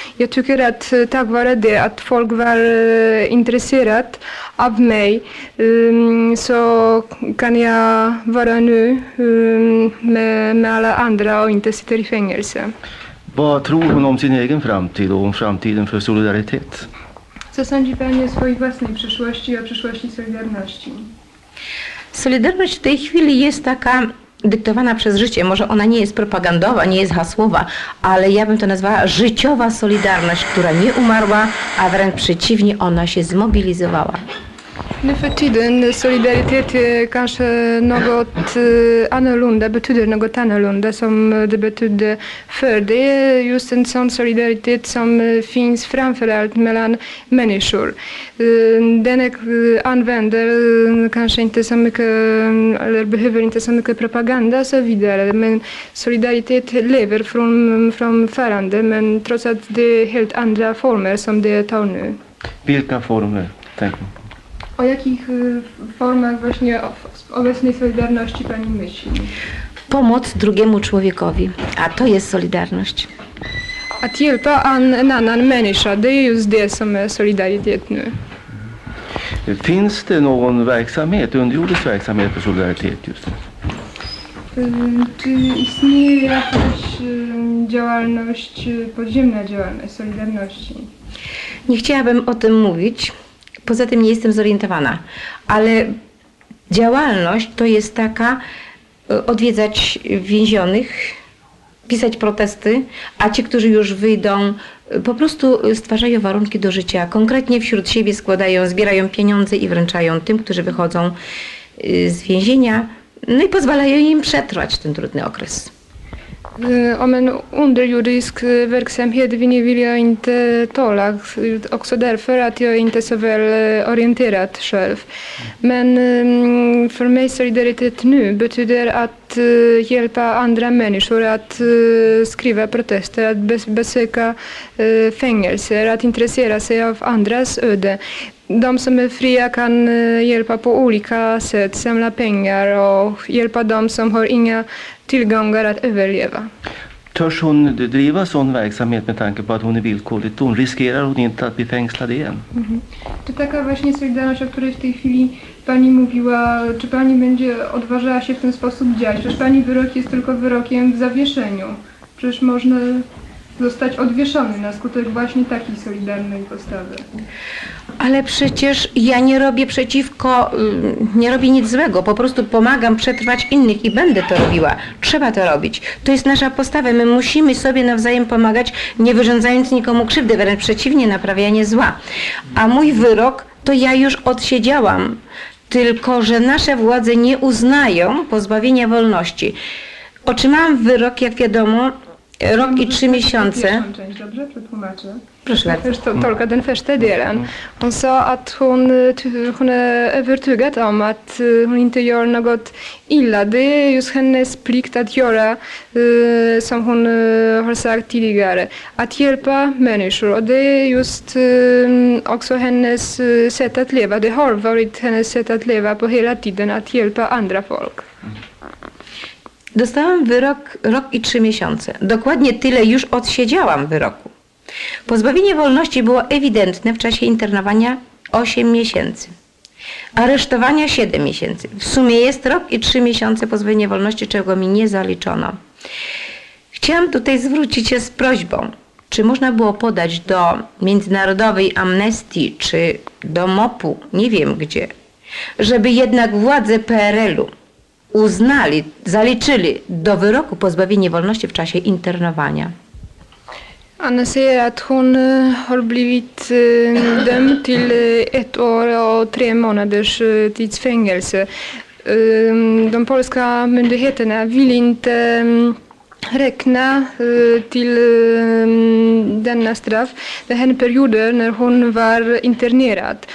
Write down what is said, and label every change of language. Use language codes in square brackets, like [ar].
[sv] Jag tycker att tack vare det att folk var intresserade av mig så kan jag vara nu med alla andra och inte sitta i fängelse. Vad tror hon om sin egen framtid och om framtiden för solidaritet? [pl] Co sądzi pani o swojej własnej przyszłości i o przyszłości Solidarności? Solidarność w tej chwili jest taka dyktowana przez życie. Może ona nie jest propagandowa, nie jest hasłowa, ale ja bym to nazwała życiowa solidarność, która nie umarła, a wręcz przeciwnie, ona się zmobilizowała. [sv] Nu för tiden solidaritet är kanske något annorlunda, betyder något annorlunda som det betydde för. Det är just en sån solidaritet som finns framförallt mellan människor. Den använder kanske inte så mycket, eller behöver inte så mycket propaganda och så vidare. Men solidaritet lever från förande, men trots att det är helt andra former som det tar nu. Vilka former tänker du? [pl] O jakich formach właśnie obecnej solidarności pani myśli? Pomoc drugiemu człowiekowi, a to jest solidarność. [sv] Att hjälpa en annan människa, det är just det som är solidaritet nu. Finns det någon verksamhet, underjordisk verksamhet för solidaritet just nu? [pl] Czy istnieje jakaś działalność, podziemna działalność solidarności? Nie chciałabym o tym mówić. Poza tym nie jestem zorientowana, ale działalność to jest taka, odwiedzać więzionych, pisać protesty, a ci, którzy już wyjdą, po prostu stwarzają warunki do życia. Konkretnie wśród siebie składają, zbierają pieniądze i wręczają tym, którzy wychodzą z więzienia, no i pozwalają im przetrwać ten trudny okres. [sv] Om en underjordisk verksamhet vill jag inte tala, också därför att jag inte är så väl orienterad själv. Men för mig solidaritet nu betyder att hjälpa andra människor att skriva protester, att besöka fängelser, att intressera sig av andras öde. De som är fria kan hjälpa på olika sätt, samla pengar och hjälpa dem som har inga tillgångar att överleva. Törs hon driva sån verksamhet med tanke på att hon är villkorlig? Hon riskerar hon inte att bli fängslad igen? [pl] To taka właśnie solidarność, o której w tej chwili pani mówiła, czy pani będzie odważała się w ten sposób działać? Przecież pani wyrok jest tylko wyrokiem w zawieszeniu. Przecież można zostać odwieszony na skutek właśnie takiej solidarnej postawy. Ale przecież ja nie robię przeciwko, nie robię nic złego, po prostu pomagam przetrwać innych i będę to robiła. Trzeba to robić. To jest nasza postawa. My musimy sobie nawzajem pomagać, nie wyrządzając nikomu krzywdy, wręcz przeciwnie, naprawianie zła. A mój wyrok to ja już odsiedziałam, tylko że nasze władze nie uznają pozbawienia wolności. Otrzymałam wyrok, jak wiadomo, rok i trzy miesiące. Dobrze przetłumaczę. [sv] Först tolka den första delen. Hon sa att hon är övertygad om att hon inte gör något illa. Det är just hennes plikt att göra som hon har sagt tidigare. Att hjälpa människor. Och det är just också hennes sätt att leva. Det har varit hennes sätt att leva på hela tiden. Att hjälpa andra folk. [pl] Dostałam wyrok rok i trzy miesiące. Dokładnie tyle już odsiedziałam wyroku. Pozbawienie wolności było ewidentne w czasie internowania 8 miesięcy, aresztowania 7 miesięcy. W sumie jest rok i 3 miesiące pozbawienia wolności, czego mi nie zaliczono. Chciałam tutaj zwrócić się z prośbą, czy można było podać do Międzynarodowej Amnestii, czy do MOP-u, nie wiem gdzie, żeby jednak władze PRL-u uznali, zaliczyli do wyroku pozbawienie wolności w czasie internowania. [sv] Anna säger att hon har blivit dömd till 1 år och 3 månaders tidsfängelse. De polska myndigheterna vill inte räkna till denna straff, den här perioden när hon var internerad.